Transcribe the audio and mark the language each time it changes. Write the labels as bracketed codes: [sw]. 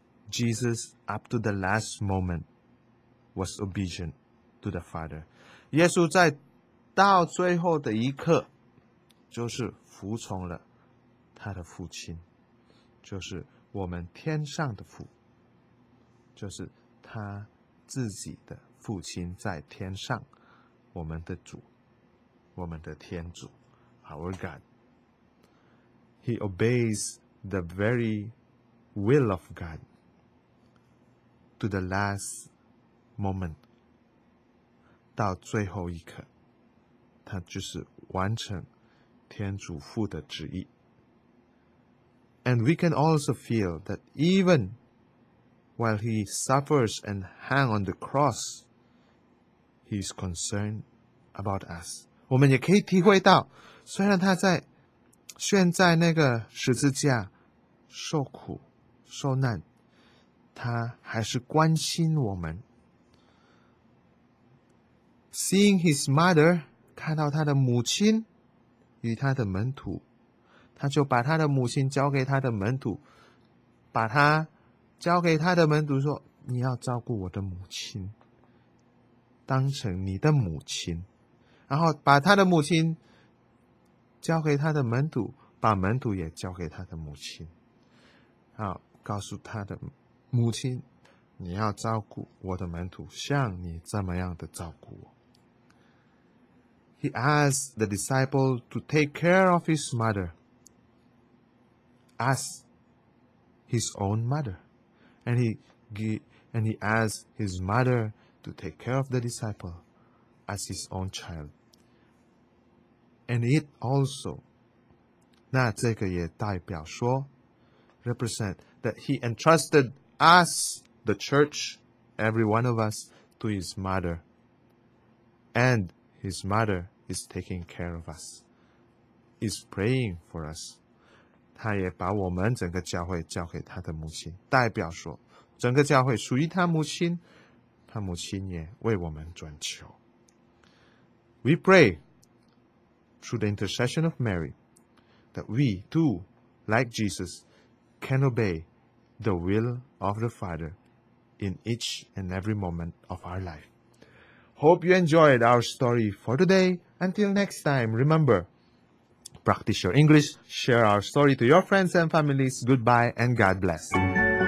[en] Jesus, up to the last moment, was obedient to the Father. [zh] 耶稣在到最后的一刻，就是服从了他的父亲，就是我们天上的父，就是他自己的父亲在天上。我们的主，我们的天主 ， [en] Our God. He obeys the very will of God to the last moment. [zh] 到最后一刻，他就是完成天主父的旨意。 [en] And we can also feel that even while he suffers and hang on the cross, he is concerned. About us, [zh] 我们也可以体会到，虽然他在悬在那个十字架受苦受难，他还是关心我们。 [en] Seeing his mother, [zh] 看到他的母亲与他的门徒，他就把他的母亲交给他的门徒，把他交给他的门徒说：“你要照顾我的母亲，当成你的母亲。” 然后把他的母亲交给他的门徒，把门徒也交给他的母亲，好，告诉他的母亲，你要照顾我的门徒，像你这么样的照顾我。 [en] He asked the disciple to take care of his mother, as his own mother, and he asked his mother to take care of the disciple as his own child. And it also, [zh] 那这个也代表说 [en] represent that he entrusted us, the church, every one of us, to his mother. And his mother is taking care of us, is praying for us. [zh] 他也把我们整个教会交给他的母亲，代表说整个教会属于他母亲，他母亲也为我们转求。 [en] We pray. Through the intercession of Mary, that we too, like Jesus, can obey the will of the Father in each and every moment of our life. Hope you enjoyed our story for today. Until next time, remember, practice your English, share our story to your friends and families. Goodbye and God bless.